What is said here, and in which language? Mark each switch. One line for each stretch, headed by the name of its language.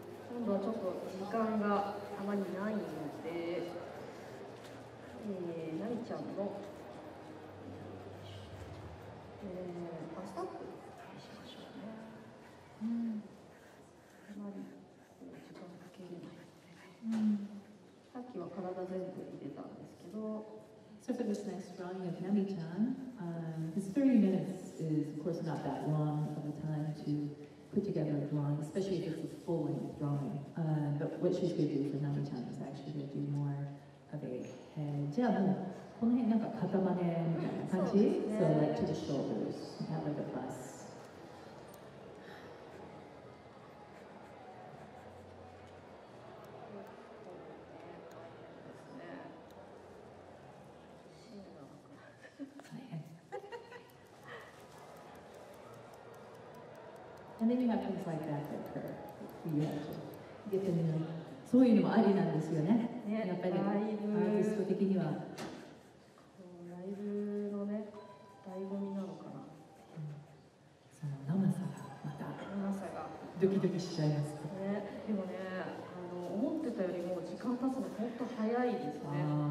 Japanese: 今度はちょっと時間があまりないので、なりちゃんの、バスタップにしましょうね。あまり時間かけれないので、さっきは体全部入れたんですけど。
English: So for this next drawing of Nami-chan, this 30 minutes is of course not that long of a time to put together a drawing, especially if it's a full-length drawing. But what she's going to do for Nami-chan is actually going to do more of a head.
Japanese: じゃあもうこの辺なんか肩真似みたいな感じ?
English: So like to the shoulders, not like a bust. Yeah. And then you have things like that that occur. You have to get to know. So you know,
Japanese: ありなんですよね。やっぱりアーティスト的にはライブのね、醍醐味なのかな。その生さがまた生さがドキドキしちゃいます。ね、でもね、あの思ってたよりも時間経つの本当早いですね。